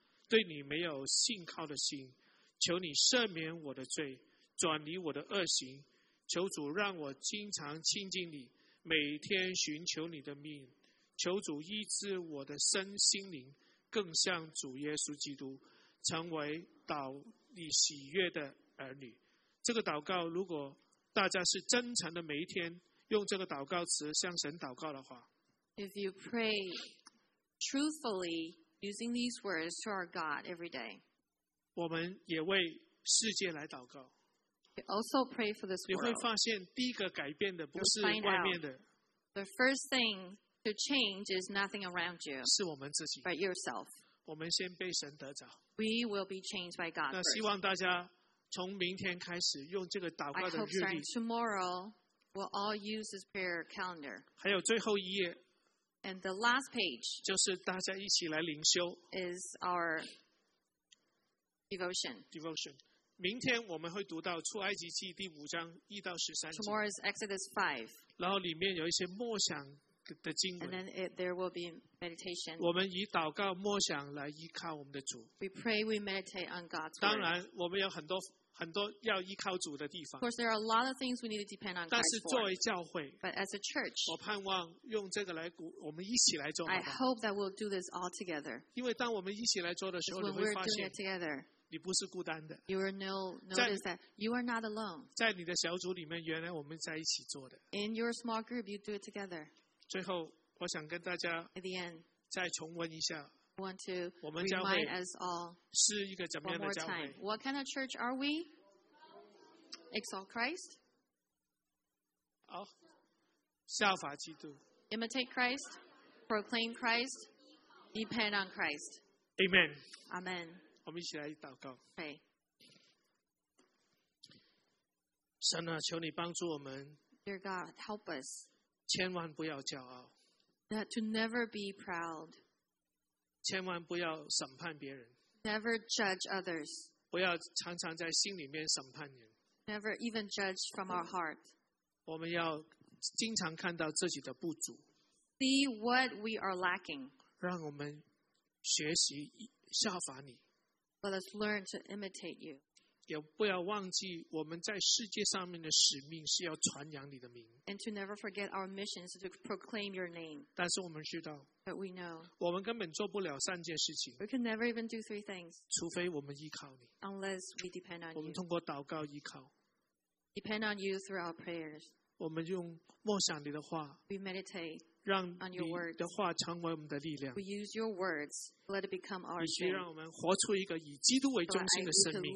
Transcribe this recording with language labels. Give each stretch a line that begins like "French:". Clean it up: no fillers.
Chinese: 对你没有信靠的心，求你赦免我的罪，转离我的恶行，求主让我经常亲近你，每天寻求你的命，求主医治我的身心灵，更像主耶稣基督，成为祷你喜悦的儿女。这个祷告如果大家是真诚的每一天用这个祷告词向神祷告的话
English: If you pray truthfullyusing these words to our God every day.
Chinese: 我们也为世界来祷告。
English: We also pray for this world.
Chinese: 你会发现第一个改变的不是外面的。
English: The first thing to change is nothing around you.
Chinese: 是我们自己。
English: But yourself.
Chinese: 我们先被神得着。
English: We will be changed by God.
Chinese: 那希望大家从明天开始用这个祷告的日历。
English: I hope that tomorrow we'll all use this prayer calendar.
Chinese: 还有最后一页。
English: And the last page
Chinese: 就是大家一起来灵修。
English: Is our devotion. Devotion.
Chinese: 明天我们会读到出埃及记第五章一到十三节。
English: Tomorrow is Exodus 5.
Chinese: 然后里面有一些默想。的经文
English: And then it, there will be meditation.
Chinese: 我们以祷告默想来依靠我们的主
English: We pray, we meditate on God's word.
Chinese: 当然我们有很多很多要依靠主的地方
English: Of course there are a lot of things we need to depend on God's word.
Chinese: 但是作为教会
English: But as a church,
Chinese: 我盼望用这个来我们一起来做
English: I hope that we'll do this all together.
Chinese: 因为当我们一起来做的时候
English: when we're doing it together,
Chinese: 你不是孤单的
English: You will notice that you are not alone.
Chinese: 在你的小组里面原来我们在一起做的
English: In your small group, you do it together.
Chinese: 最后，我想跟大家再重温一下，我们教会是一个怎么样的教会
English: ？What kind of church are we? Exalt Christ.
Chinese: 好，效法基督。
English: Imitate Christ. Proclaim Christ. Depend on Christ. Amen. Amen.
Chinese: 我们一起来祷告。
English: Okay.
Chinese: 神啊，求你帮助我们。
English: Dear God, help us.
Chinese: 千万不要骄傲。
English: That to never be proud.
Chinese: 千万不要审判别人。
English: Never judge others.
Chinese: 不要常常在心里面审判人。
English: Never even judge from our heart.
Chinese: 我们要经常看到自己的不足。
English: See what we are lacking.
Chinese: 让我们学习效法你。
English: Let us learn to imitate you.
Chinese: 也不要忘记我们在世界上面的使命是要传扬你的名。
English: And to never forget our mission is to proclaim your name.
Chinese: 但是我们知道
English: But we know.
Chinese: 我们根本做不了三件事情。
English: We can never even do three things.
Chinese: 除非我们依靠你。
English: Unless we depend on you.
Chinese: 我们通过祷告依靠。
English: Depend on you through our prayers.
Chinese: 我们用默想你的话。
English: We meditate.
Chinese: 让你的话成为我们的力量。
English: We use your words, let it become our strength.
Chinese: 以及让我们活出一个以基督为中心的生命。